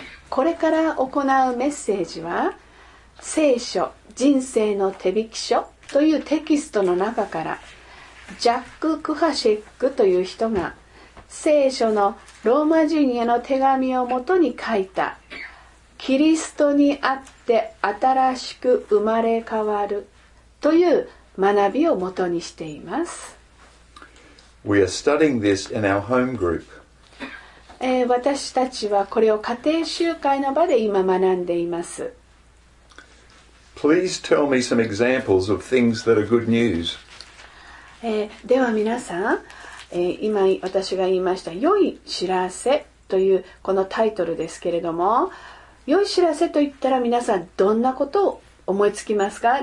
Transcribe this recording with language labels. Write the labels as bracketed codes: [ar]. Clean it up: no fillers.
[ja] これから行うメッセージは、聖書、人生の手引き書というテキストの中から、ジャック・クハシェックという人が、聖書のローマ人への手紙をもとに書いた、キリストにあって新しく生まれ変わるという学びをもとにしています。 [en] We are studying this in our home group. [ja] 私たちはこれを家庭集会の場で今学んでいます。 [en] Please tell me some examples of things that are good news. [ja] では皆さん、今私が言いました良い知らせというこのタイトルですけれども、良い知らせと言ったら皆さんどんなことを思いつきますか？